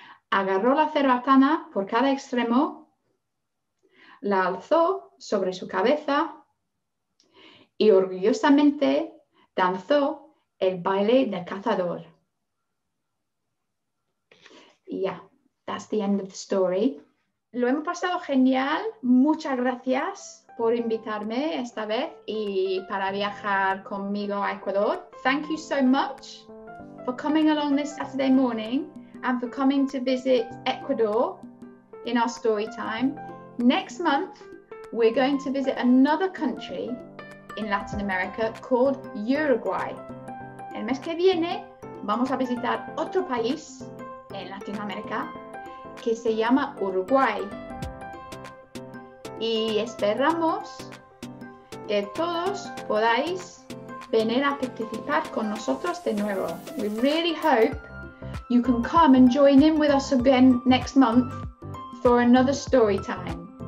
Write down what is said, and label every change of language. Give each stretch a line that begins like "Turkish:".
Spanish: Agarró la cerbatana por cada extremo, la alzó sobre su cabeza y orgullosamente danzó el baile del cazador.
English: Yeah, that's the end of the story.
Spanish: Lo hemos pasado genial. Muchas gracias por invitarme esta vez y para viajar conmigo a Ecuador.
English: Thank you so much for coming along this Saturday morning and for coming to visit Ecuador in our story time. Next month, we're going to visit another country in Latin America called Uruguay.
Spanish: El mes que viene vamos a visitar otro país en Latinoamérica que se llama Uruguay. Y esperamos que todos podáis venir a participar con nosotros de nuevo.
English: We really hope you can come and join in with us again next month for another story time.